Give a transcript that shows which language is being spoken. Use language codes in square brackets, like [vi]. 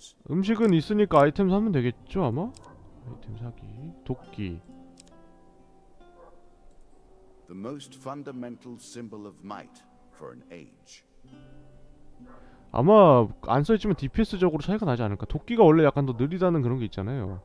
[ko] 음식은 있으니까 아이템 사면 되겠죠, 아마? 아이템 사기. 도끼. [en] The most fundamental symbol of might for an age. [ko] 아마 안 써 있지만 DPS적으로 차이가 나지 않을까? 도끼가 원래 약간 더 느리다는 그런 게 있잖아요.